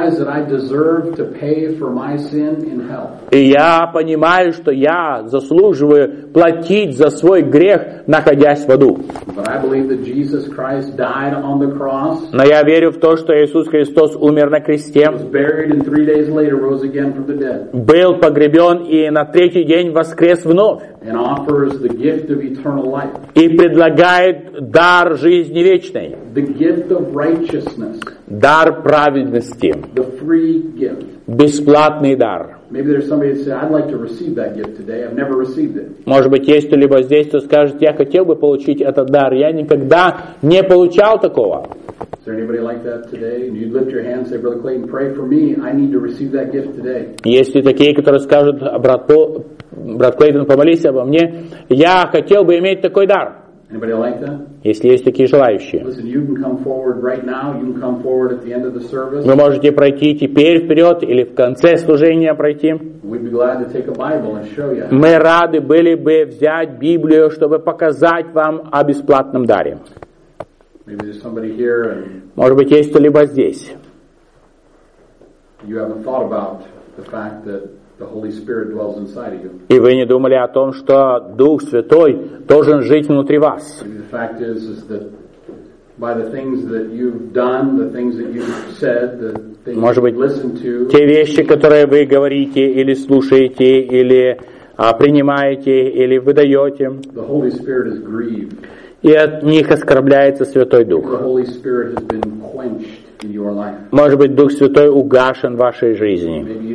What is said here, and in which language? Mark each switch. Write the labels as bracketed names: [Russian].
[Russian] И я понимаю, что я заслуживаю платить за свой грех, находясь в аду. [English] But I believe that Jesus Christ died on the cross. [Russian] Но я верю в то, что Иисус Христос умер на кресте. [English] He was buried and 3 days later rose again from the dead. [Russian] Был погребен и на третий день воскрес вновь. [English] And offers the gift of eternal life. [Russian] И предлагает дар жизни вечной. [English] The gift of righteousness. [Russian] Дар праведности. [English] The free gift. [Russian] Бесплатный дар. [English] Maybe there's somebody that says, "I'd like to receive that gift today. I've never received it." [Russian] Может быть, есть кто-либо здесь, кто скажет, "Я хотел бы получить этот дар. Я никогда не получал такого." [English] Is there anybody like that today? And you'd lift your hand and say, "Brother Clayton, pray for me. I need to receive that gift today." [Russian] Есть ли такие, которые скажут, брат Клейтон, помолись обо мне. Я хотел бы иметь такой дар. [English] Anybody like that? [Russian] Если есть такие желающие. [English] Listen, you can come forward right now. You can come forward at the end of the service. [Russian] Вы можете пройти теперь вперед или в конце служения пройти. [English] We'd be glad to take a Bible and show you. [Russian] Мы рады были бы взять Библию, чтобы показать вам о бесплатном даре. [English] Maybe there's somebody here. And [Russian] может быть, есть кто-либо здесь. [English] You haven't thought about the fact that The Holy Spirit dwells inside of you. [Russian] И вы не думали о том, что Дух Святой должен жить внутри вас. [English] The fact is that by the things that you've done, the things that you've said, the things [Russian] Может быть, [English] you've listened to, [Russian] те вещи, которые вы говорите или слушаете, или принимаете, или выдаете, [English] the Holy Spirit is grieved. [Russian] И от них оскорбляется Святой Дух. [English] The Holy Spirit has been quenched. [Russian] Может быть, Дух Святой угашен в вашей жизни.